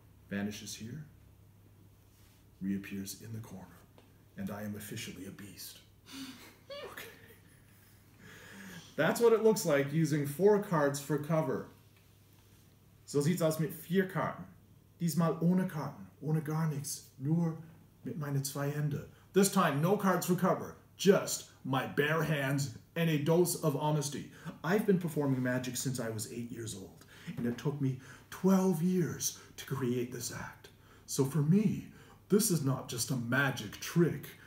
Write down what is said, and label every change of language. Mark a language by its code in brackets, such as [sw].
[en] Vanishes here. Reappears in the corner, and I am officially a beast. Okay. That's what it looks like using four cards for cover. [de] So sieht's aus mit vier Karten. Diesmal ohne Karten, ohne gar nichts, nur mit meine zwei Hände. [en] This time, no cards for cover, just my bare hands and a dose of honesty. I've been performing magic since I was 8 years old, and it took me 12 years to create this act. So for me, this is not just a magic trick.